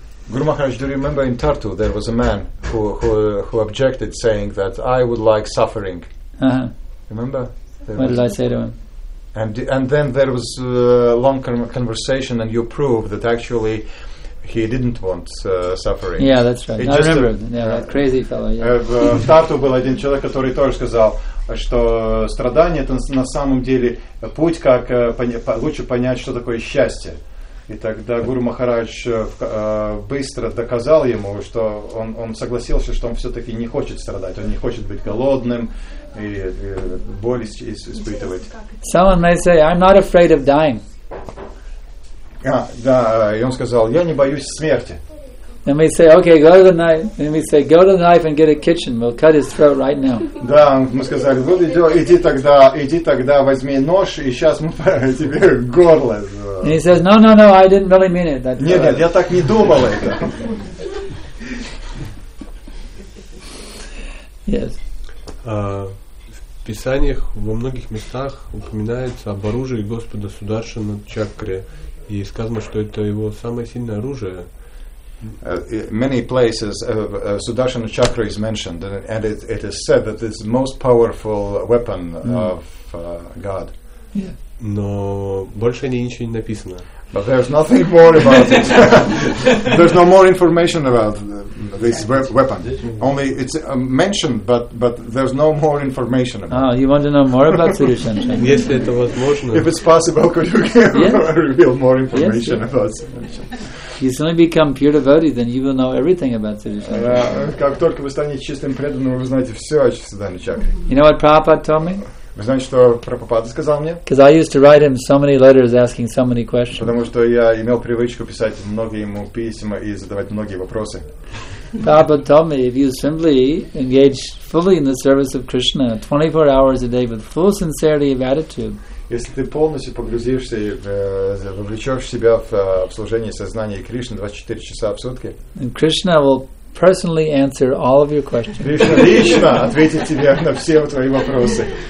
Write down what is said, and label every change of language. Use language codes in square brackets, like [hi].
[en] Guru Maharaj, do you remember in Tartu there was a man who objected, saying that I would like suffering. Uh-huh. Remember? What did I say to him? And then there was a long conversation, and you proved that actually he didn't want suffering. Yeah, that's right. I remember. That crazy fellow. Yeah. [ru] В Тарту был один человек, который тоже сказал, что страдание это на самом деле путь, как лучше понять, что такое счастье. И тогда Гуру Махарадж быстро доказал ему, что он согласился, что он все-таки не хочет страдать, он не хочет быть голодным и боль испытывать. [en] Someone may say, I'm not afraid of dying. [ru] Да, и он сказал, я не боюсь смерти. [en] And we say, okay, go to the knife. And we say, go to the knife and get a kitchen. We'll cut his throat right now. [ru] Да, мы сказали, вот иди тогда, возьми нож, и сейчас мы тебе горло. [en] And he says, no, I didn't really mean it. [ru] Нет, я так не думал это. [en] Yes. [ru] В писаниях во многих местах упоминается об оружии Господа Сударшана Чакре, и сказано, что это его самое сильное оружие. [en] Many places Sudarshana Chakra is mentioned, and it is said that it's the most powerful weapon of God. [ru] Но больше ничего не написано. [en] But there's nothing more about it. There's no more information about this weapon. Only it's mentioned, but there's no more information about it. You want to know more about Sudarshana Chakra? Yes, it was possible. If it's possible, could you reveal more information about Sudarshana? You suddenly become pure devotee, then you will know everything about Sudarshana. [ru] Как только вы станете чистым преданным, вы узнаете все о Сударшане Чакре. [en] You know what Prabhupada told me? [ru] Вы знаете, что Прабхупада сказал мне? [en] Because I used to write him so many letters, asking so many questions. [ru] Потому что я имел привычку писать многие ему письма и задавать многие вопросы. [en] Prabhupada told me, if you simply engage fully in the service of Krishna, 24 hours a day, with full sincerity of attitude. [ru] Если ты полностью погрузишься и вовлечешь себя в служение сознания Кришны 24 часа в сутки, [en] and Krishna will personally answer all of your questions. [ru] Кришна лично ответит тебе на все твои вопросы.